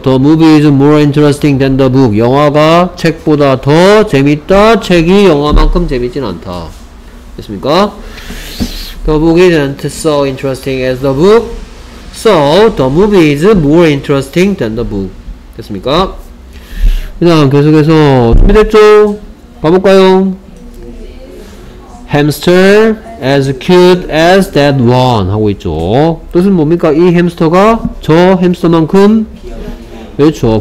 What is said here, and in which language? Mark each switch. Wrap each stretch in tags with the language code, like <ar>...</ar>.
<en>The movie is more interesting than the book.</en> <ko>영화가 책보다 더 재밌다. 책이 영화만큼 재밌진 않다. 됐습니까?</ko> <en>The book isn't so interesting as the book. So, the movie is more interesting than the book.</en> <ko>됐습니까? 그냥 계속해서 준비됐죠? 가볼까요?</ko> <en>Hamster as cute as that one</en> <ko>하고 있죠. 뜻은 뭡니까? 이 햄스터가 저 햄스터만큼 그렇죠.</ko>